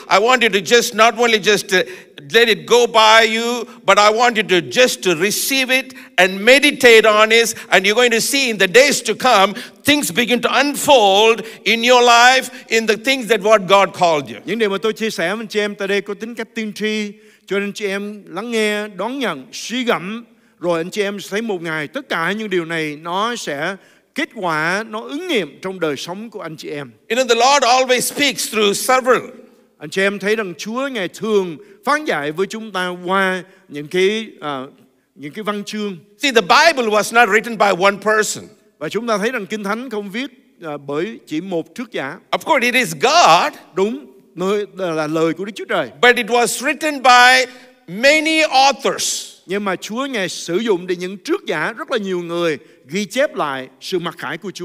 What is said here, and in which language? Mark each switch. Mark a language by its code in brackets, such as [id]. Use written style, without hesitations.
[en] I want you to just not only just let it go by you, but I want you to just to receive it and meditate on it, and you're going to see in the days to come things begin to unfold in your life in the things that what God called you. [vi] Những điều mà tôi chia sẻ với anh chị em tại đây có tính cách tiên tri, cho nên chị em lắng nghe, đón nhận, suy gẫm. Rồi anh chị em thấy một ngày tất cả những điều này nó sẽ kết quả, nó ứng nghiệm trong đời sống của anh chị em. [en] You know, the Lord always speaks through several. [vi] Anh chị em thấy rằng Chúa ngài thường phán dạy với chúng ta qua những cái văn chương. [en] See, the Bible was not written by one person. [vi] Và chúng ta thấy rằng Kinh Thánh không viết bởi chỉ một thước giả. [en] Of course, it is God. [vi] Đúng, là lời của Đức Chúa Trời. [en] But it was written by many authors. [vi] Nhưng mà Chúa ngài sử dụng để những trước giả rất là nhiều người ghi chép lại sự mặc khải của Chúa.